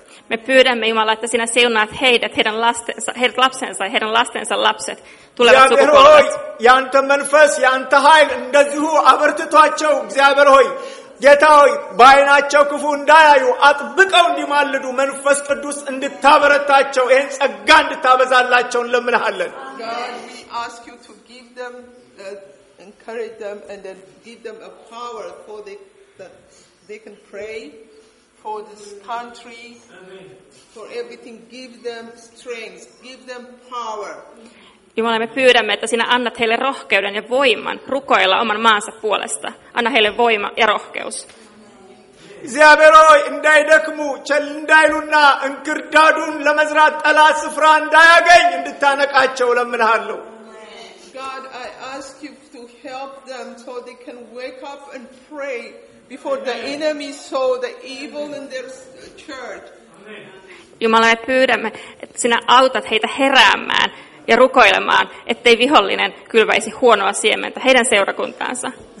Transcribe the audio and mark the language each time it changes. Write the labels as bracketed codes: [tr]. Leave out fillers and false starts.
[fi] me pyydämme Jumala että sinä seunaat heidät heidän lastensa heidän lapsensa heidän lastensa lapset tulevat sukupolvet [am] ያንተ መንፈስ ያንተ ኃይል እንደዚሁ አበርትቷቸው እግዚአብሔር ሆይ ጌታ ሆይ ባይናቸው ክፉ እንዳያዩ አጥብቀው እንዲማልዱ መንፈስ ቅዱስ እንድታበረታቸው ይሄን ጸጋ እንድታበዛላቸው እንለምናለን [en] ask you to give them encourage them and then give them a power for they can pray for this country for everything give them strength give them power [fi] Jumala, me pyydämme, että sinä annat heille rohkeuden ja voiman rukoilla oman maansa puolesta. Anna heille voima ja rohkeus. [am] እግዚአብሔር ሆይ እንዳይደክሙ ቸልንዳይሉና እንክርዳዱን ለመዝራት ጠላት ስፍራ እንዳያገኝ እንድታነቃቸው ለምንሃለሁ. [en] God, I ask you to help them so they can wake up and pray before the enemy sow the evil in their church. [fi] Jumala, me pyydämme, että sinä autat heitä heräämään. Ja rukoilemaan, ettei vihollinen kylväisi huonoa siementä heidän seurakuntaansa.